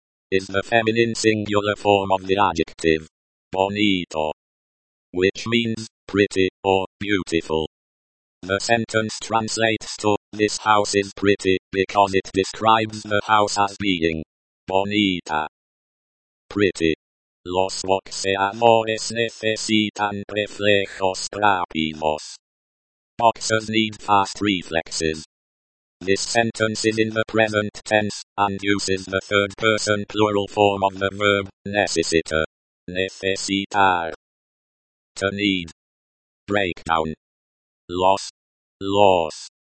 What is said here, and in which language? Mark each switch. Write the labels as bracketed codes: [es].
[en] Is the feminine singular form of the adjective. Bonito. Which means, pretty, or beautiful. The sentence translates to, this house is pretty, because it describes the house as being. Bonita. Pretty. [es] Los boxeadores necesitan reflejos rápidos. [en] Boxers need fast reflexes. This sentence is in the present tense, and uses the third person plural form of the verb, necesitar. Necesitar. To need. Breakdown. Los. Los.